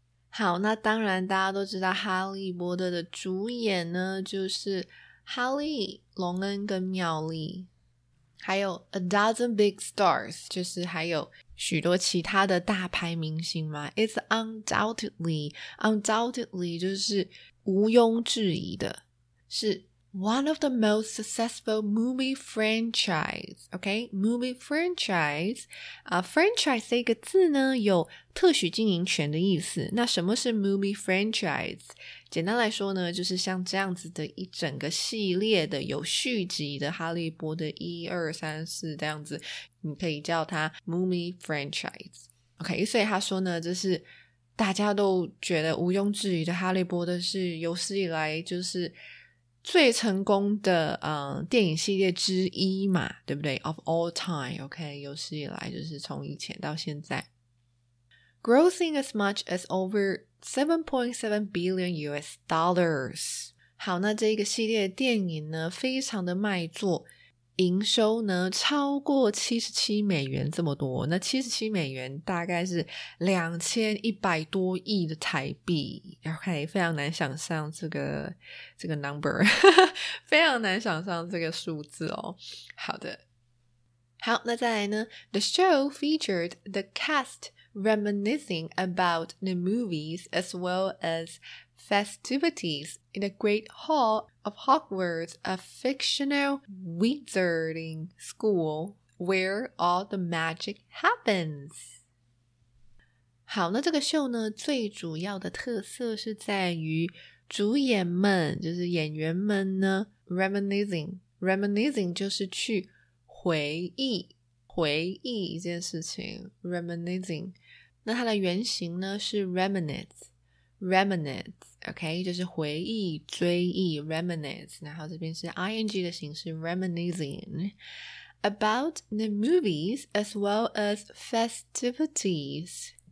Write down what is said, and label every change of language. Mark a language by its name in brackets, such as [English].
[Chinese] 好，那当然大家都知道哈利波特的主演呢就是哈利、隆恩跟妙丽，还有 [English] A Dozen Big Stars， [Chinese] 就是还有许多其他的大牌明星嘛。 [English] It's undoubtedly [Chinese] 就是毋庸置疑的，是 [English] one of the most successful movie franchise， [Chinese] OK， movie franchise、franchise 这个字呢有特许经营权的意思。那什么是 movie franchise？简单来说呢，就是像这样子的一整个系列的有续集的哈利波特一二三四这样子，你可以叫它 movie franchise， OK。所以他说呢，这是大家都觉得毋庸置疑的哈利波特是有史以来就是最成功的电影系列之一嘛，对不对？ [English] Of all time， [Chinese] OK， 有史以来就是从以前到现在。 [English] Grossing as much as over 7.7 billion US dollars。 [Chinese] 好，那这个系列的电影呢非常的卖座，营收呢超过77美元这么多。那77美元大概是2100多亿的台币， OK， 非常难想象这个 number， 非常难想象这个数字哦。好的，好，那再来呢， [English] The show featured the cast reminiscing about the movies as well as festivities in the Great Hall of Hogwarts, a fictional wizarding school where all the magic happens. [Chinese] 好，那这个秀呢最主要的特色是在于主演们，就是演员们呢 reminiscing 就是去回忆一件事情 reminiscing。那它的原型呢是 reminisce OK， 就是回忆、追忆 reminisce， 然后这边是 ing 的形式 [English] reminiscing about the movies as well as festivities。